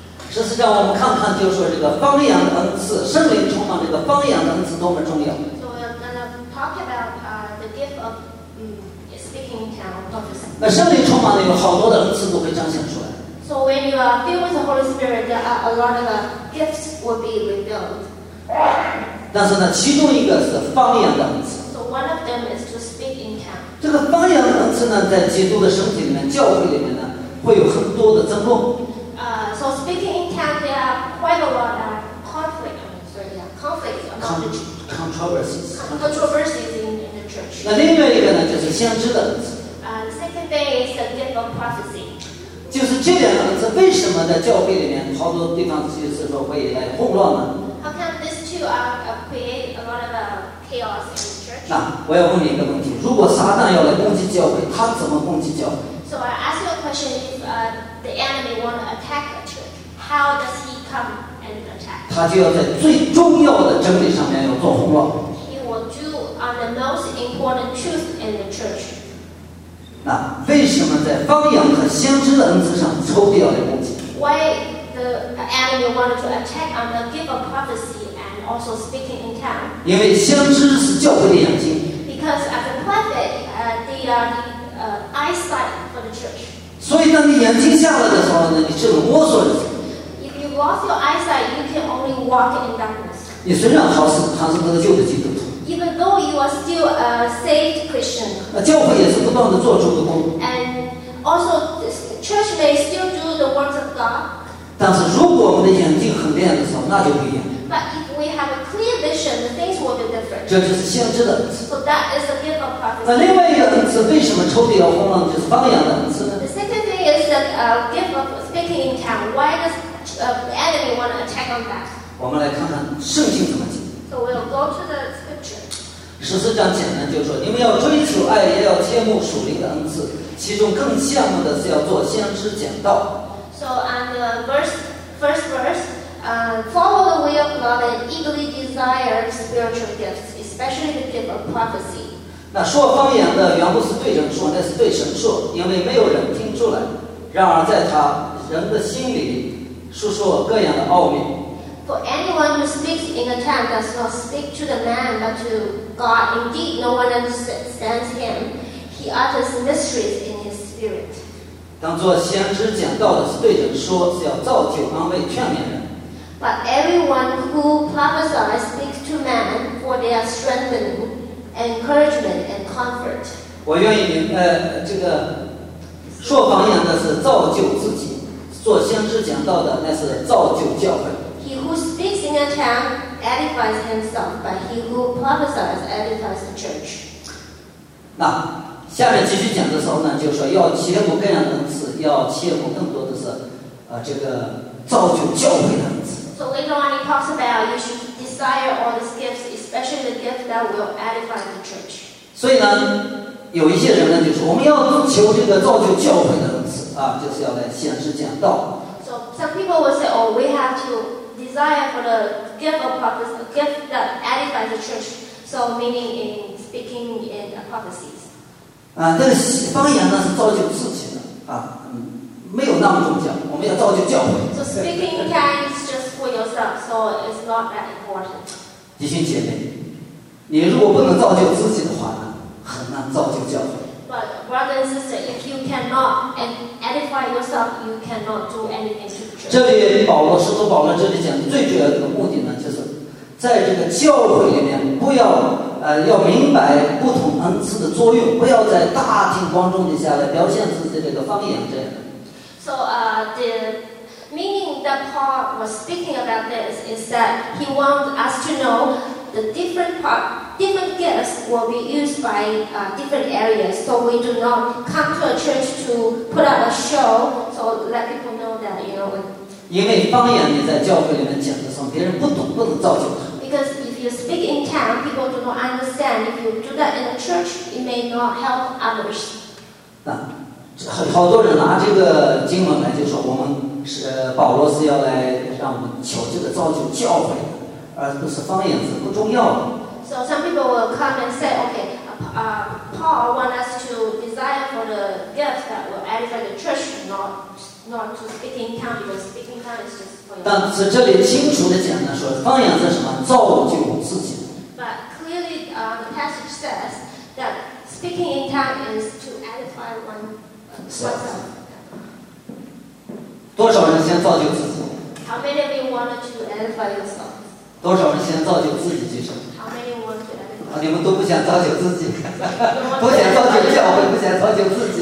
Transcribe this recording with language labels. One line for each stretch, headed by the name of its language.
Chinese: 十四章，我们看看，就是说这个方言的恩赐，圣灵充满这个方言的恩赐多么重要。
English: So we're gonna talk about the gift of speaking in tongues.
Chinese: 那圣灵充满了有好多的恩赐都会彰显出来。
English: So when you are filled with the Holy Spirit, there are a lot of gifts will be revealed.
Chinese: 但是呢，其中一个是方言的恩赐。
English: So one of them is to speak in tongues.
Chinese: 这个方言的恩赐呢，在基督的身体里面、教会里面呢，会有很多的争论。
English: So speaking in tongues, there are quite a lot of controversies in the church.
Chinese: 那另外一个呢，就是先知的恩赐。
English: The second thing is the gift of prophecy.
Chinese: 就是这两个恩赐，为什么在教会里面好多地方就是说会来混乱呢
English: ？How come these two are create a lot of chaos?
Chinese: 那我要问你一个问题，如果撒旦要来攻击教会，他怎么攻击教会
English: ？So I ask you a question: If the enemy want to attack a church, how does he come and attack?
Chinese: 他就要在最重要的真理上面要做混乱。
English: He will do on the most important truth in the church.
Chinese: 那为什么在方言和先知的恩赐上，仇敌要来攻击
English: ？Why the enemy want to attack on the gift of prophecy? Also speaking in tongues.
Chinese: 因为先知是教会的眼睛。
English: Because as a prophet, they are the eyesight for the church.
Chinese: 所以当你眼睛瞎了的时候呢，你只能摸索着走。
English: If you lost your eyesight, you can only walk in darkness.
Chinese: 你虽然好死，还是得救的基督徒。
English: Even though you are still a saved Christian.
Chinese: 教会也是不断的做主的工。
English: And also, church may still do the works of God.
Chinese: 但是如果我们的眼睛很亮的时候，那就不一样。
English: But if we have a clear vision, the things will be different. different.
Chinese: 这就是先知的恩赐。
English: So that is the gift of prophecy.
Chinese: 那另外一个恩赐，为什么抽屉要慌忙，就是方言的恩赐呢？
English: The second thing is the gift of speaking in tongue. Why does the enemy want to attack on that?
Chinese: 我们来看看圣经怎么解。
English: So we'll go to the scripture.
Chinese: 十四章简单就说，你们要追求爱，也要切慕属灵的恩赐。其中更羡慕的是要做先知讲道。
English: So on the first verse, follow the way of God and eagerly desire spiritual gifts, especially the gift of prophecy.
Chinese: 那说方言的原不是对人说，那是对神说，因为没有人听出来。然而在他人的心里，述说各样的奥秘。
English: For anyone who speaks in a tongue does not speak to the man, but to God. Indeed, no one understands him. He utters mysteries in his spirit.
Chinese: 当作先知讲道的是对人说，是要造就、安慰、劝勉人。
English: But everyone who prophesies speaks to men for their strengthening, encouragement, and comfort.
Chinese: 我愿意明这个说方言的是造就自己，做先知讲道的那是造就教会。
English: He who speaks in a tongue edifies himself, but he who prophesies edifies the church.
Chinese: 那。下面继续讲的时候呢，就说要切慕各样的恩赐，要切慕更多的是，这个造就教会的恩赐。
English: So later on, he talks about you should desire all these gifts, especially the gift that will edify the church.
Chinese: 所以呢，有一些人呢就说，我们要求这个造就教会的恩赐啊，就是要来先知讲道。
English: So some people will say, oh, we have to desire for the gift of prophecy, the gift that edifies the church. So meaning in speaking in prophecies.
Chinese: 啊，但是方言呢是造就自己的啊，没有那么重要。我们要造就教会。
English: So speaking in tongues is just for yourself, so it's not that important.
Chinese: 弟兄姐妹，你如果不能造就自己的话呢，很难造就教会。
English: But brother and sister, if you cannot edify yourself, you cannot do anything to the church.
Chinese: 这里保罗，使徒保罗这里讲的最主要的目的呢，就是在这个教会里面不要。要明白不同恩赐的作用，不要在大庭广众底下来表现自己这个方言这样的。
English: So, the meaning that Paul was speaking about this is that he wants us to know the different gifts will be used by different areas, so we do not come to a church to put up a show, so let people know that, you know.
Chinese: 因为方言你在教会里面讲的时候，别人不懂，不能造就他。
English: Because if you speak in tongues, people do not understand. If you do that in a church, it may not help others.
Chinese: 好多人拿这个经文来就说，我们是保罗是要来让我们求这个造就教会，而不是方言是不重要的。
English: So some people will come and say, okay, Paul wants us to desire for the gifts that will edify the church, not to speak in tongues, because speaking in tongues is just.
Chinese: 但是这里清楚的讲呢，说方言是什么？造就自己。
English: But clearly, the passage says that speaking in tongue is to edify oneself.
Chinese: 多少人先造就自己
English: ？How many of you wanted to edify yourself?
Chinese: 多少人先造就自己举手
English: ？How many want to edify yourself?
Chinese: 你们都不想造就自己，不想造就教会，不想造就自己。